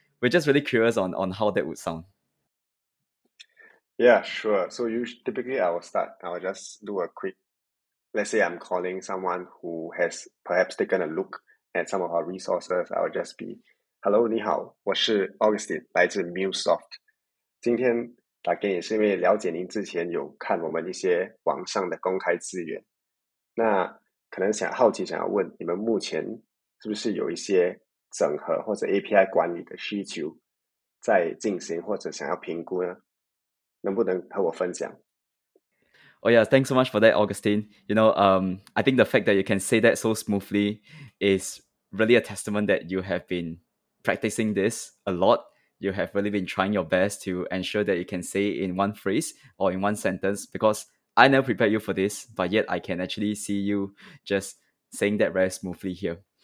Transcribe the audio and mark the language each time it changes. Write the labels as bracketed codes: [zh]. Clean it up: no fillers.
[en] We're just really curious on how that would sound. Yeah, sure. So I'll just do a quick, let's say I'm calling someone who has perhaps taken a look at some of our resources. I'll just be, hello, [zh] 你好, 我是 Augustine, 来自 MuleSoft. 今天 打给你是因为了解您之前有看我们一些网上的公开资源，那可能想好奇想要问你们目前是不是有一些整合或者API管理的需求在进行或者想要评估呢？能不能和我分享？ [en] Oh yeah, thanks so much for that, Augustine. You know, I think the fact that you can say that so smoothly is really a testament that you have been practicing this a lot. You have really been trying your best to ensure that you can say in one phrase or in one sentence, because I never prepared you for this, but yet I can actually see you just saying that very smoothly here.